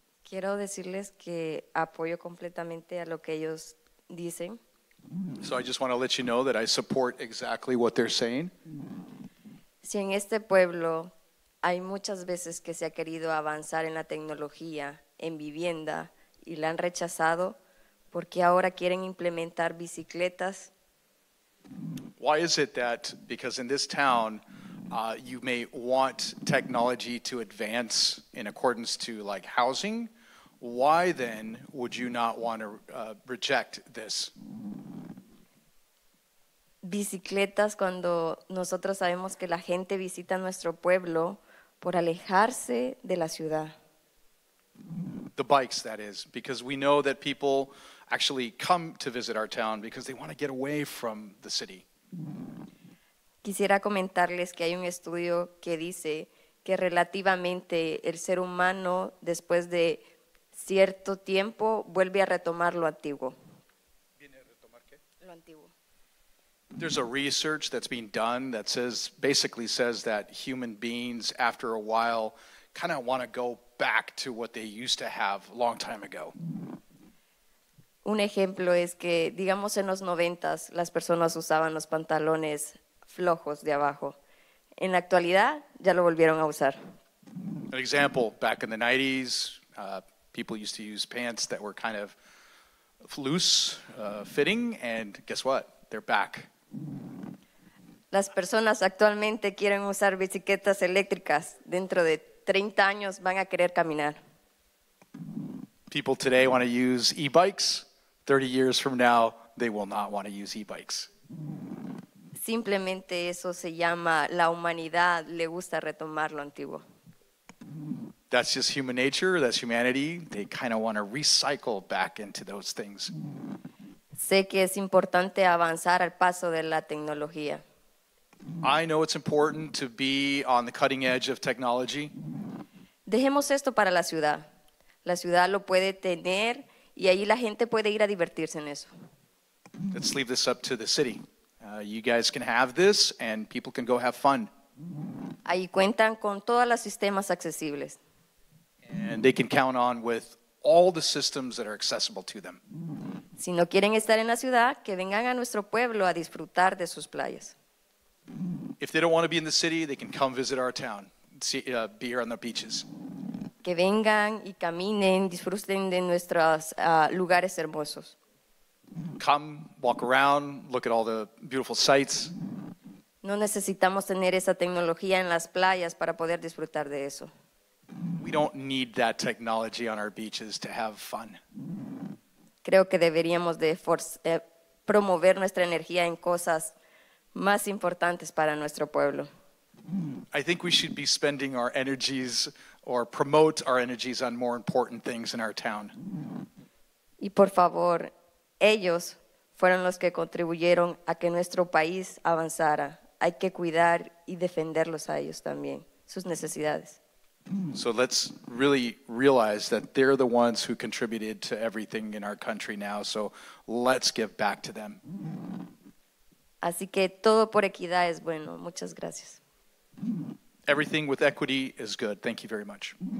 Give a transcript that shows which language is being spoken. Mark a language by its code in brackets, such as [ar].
[es] Quiero decirles que apoyo completamente a lo que ellos dicen. [en] So I just want to let you know that I support exactly what they're saying. [es] Si en este pueblo hay muchas veces que se ha querido avanzar en la tecnología, en vivienda, y la han rechazado, ¿por qué ahora quieren implementar bicicletas? [en] Why is it that, because in this town, you may want technology to advance in accordance to like housing, why then would you not want to reject this? [es] Bicicletas cuando nosotros sabemos que la gente visita nuestro pueblo por alejarse de la ciudad. [en] The bikes, that is, because we know that people actually come to visit our town because they want to get away from the city. [es] Quisiera comentarles que hay un estudio que dice que relativamente el ser humano después de cierto tiempo vuelve a retomar lo antiguo. ¿Viene a retomar qué? Lo antiguo. [en] There's a research that's being done that basically says that human beings after a while kind of want to go back to what they used to have a long time ago. [es] Un ejemplo es que digamos en los 90s las personas usaban los pantalones flojos de abajo. En la actualidad ya lo volvieron a usar. [en] An example, back in the 90s, people used to use pants that were kind of loose fitting, and guess what? They're back. [es] Las personas actualmente quieren usar bicicletas eléctricas. Dentro de 30 años van a querer caminar. [en] People today want to use e-bikes. 30 years from now, they will not want to use e-bikes. [es] Simplemente eso se llama la humanidad le gusta retomar lo antiguo. [en] That's just human nature, that's humanity. They kind of want to recycle back into those things. [es] Sé que es importante avanzar al paso de la tecnología. [en] I know it's important to be on the cutting edge of technology. [es] Dejemos esto para la ciudad. La ciudad lo puede tener y ahí la gente puede ir a divertirse en eso. [en] let's leave this up to the city. You guys can have this, and people can go have fun. [es] Ahí cuentan con todos los sistemas accesibles. [en] And they can count on with all the systems that are accessible to them. [es] Si no quieren estar en la ciudad, que vengan a nuestro pueblo a disfrutar de sus playas. [en] If they don't want to be in the city, they can come visit our town, see, be here on the beaches. [es] Que vengan y caminen, disfruten de nuestros lugares hermosos. [en] Come, walk around, look at all the beautiful sights. [es] No necesitamos tener esa tecnología en las playas para poder disfrutar de eso. [en] We don't need that technology on our beaches to have fun. [es] Creo que deberíamos de promover nuestra energía en cosas más importantes para nuestro pueblo. [en] I think we should be spending our energies or promote our energies on more important things in our town. [es] Y por favor, ellos fueron los que contribuyeron a que nuestro país avanzara. Hay que cuidar y defenderlos a ellos también, sus necesidades. [en] So let's really realize that they're the ones who contributed to everything in our country now, so let's give back to them. [es] Así que todo por equidad es bueno. Muchas gracias. [en] Everything with equity is good. Thank you very much.